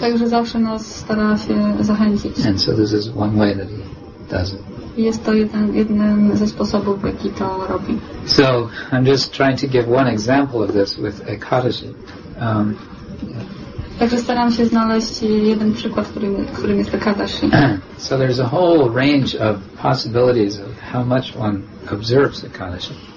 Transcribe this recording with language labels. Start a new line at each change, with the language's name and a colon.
Polish: Także zawsze nas stara się zachęcić.
English: And so this is one way that he does it.
Polish: Jest to jeden ze sposobów, w jaki to robi.
English: So I'm just trying to give one example of this with Ekadashi.
Polish: Także staram się znaleźć jeden przykład, którym jest Ekadashi.
English: So there's a whole range of possibilities of how much one observes Ekadashi.